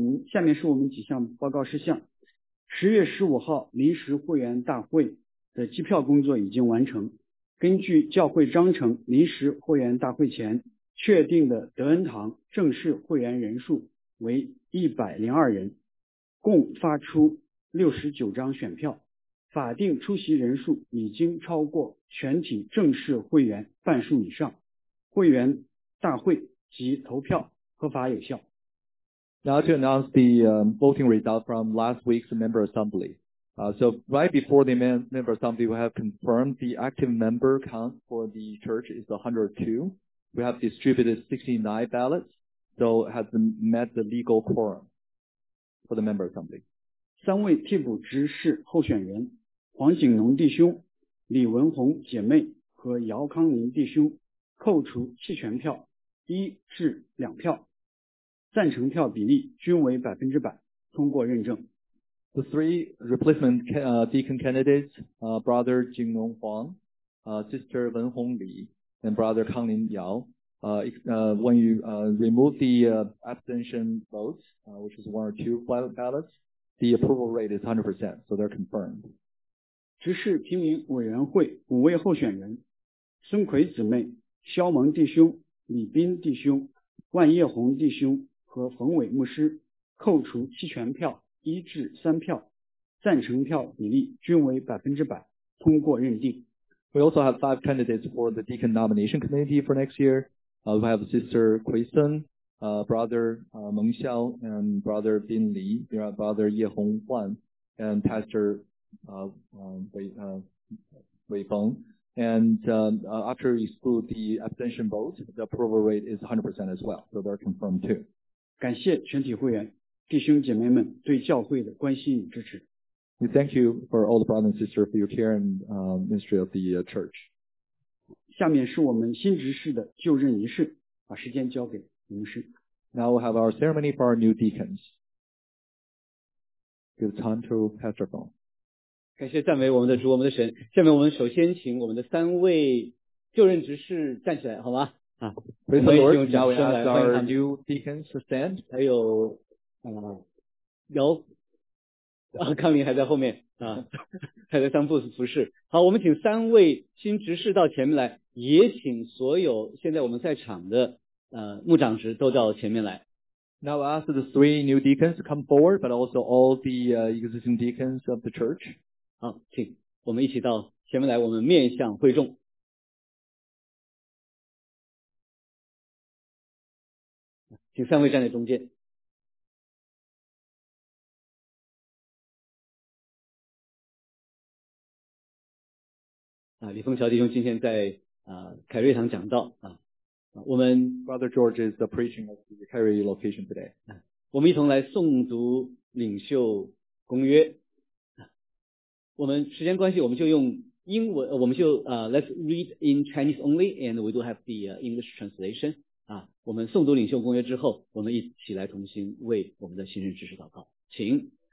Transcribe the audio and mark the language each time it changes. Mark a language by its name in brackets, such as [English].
[Chinese] 下面是我们几项报告事项。10月15号临时会员大会的机票工作已经完成，根据教会章程，临时会员大会前确定的德恩堂正式会员人数为102人，共发出69张选票，法定出席人数已经超过全体正式会员半数以上，会员大会及投票合法有效。 [English] Now to announce the voting result from last week's member assembly. So right before the member assembly, we have confirmed the active member count for the church is 102. We have distributed 69 ballots, so it has met the legal quorum for the member assembly. [Chinese] 三位替补执事候选人黄景农弟兄、李文红姐妹和姚康宁弟兄扣除弃权票一至两票，赞成票比例均为100%，通过认证。 [English] The three replacement deacon candidates, Brother Jingnong Huang, Sister Wen Hong Li, and Brother Kang Lin Yao, when you remove the abstention votes, which is one or two ballots, the approval rate is 100%, so they're confirmed. [Chinese] 执事提名委员会五位候选人，孙奎姊妹、肖蒙弟兄、李斌弟兄、万叶红弟兄和冯伟牧师扣除弃权票一至三票，赞成票比例均为100%，通过认定。 [English] We also have five candidates for the deacon nomination committee for next year. We have Sister Kui Sun, Brother Meng Xiao, and Brother Bin Li, Brother Ye Hong Huan, and Pastor Wei Feng. And after you exclude the abstention vote, the approval rate is 100% as well, so they're confirmed too. [Chinese] 感谢全体会员弟兄姐妹们对教会的关心与支持。 [English] We thank you for all the brothers and sisters for your care and ministry of the church. [Chinese] 下面是我们新执事的就任仪式，把时间交给牧师。 [English] Now we have our ceremony for our new deacons. Give time to Pastor Bong. [Chinese] 感谢赞美我们的主，我们的神。下面我们首先请我们的三位就任执事站起来，好吗？ [English] Praise the Lord, now we ask our new deacons to stand. [Chinese] 还有姚康林还在后面还在当服侍。好，我们请三位新执事到前面来，也请所有现在我们在场的牧长职都到前面来。 [English] Now I ask the three new deacons to come forward, but also all the existing deacons of the church. [Chinese] 好，请我们一起到前面来，我们面向会众。请三位站在中间。李峰桥弟兄今天在凯瑞堂讲道我们 [English] Brother George is the preaching of the Kerry location today. [Chinese] 我们一同来诵读领袖公约。我们时间关系，我们就 [English] 用英文，我们就let's read in Chinese only, and we do have the English translation. [Chinese] 我们诵读领袖公约之后，我们一起来同心为我们的新任执事祷告。情。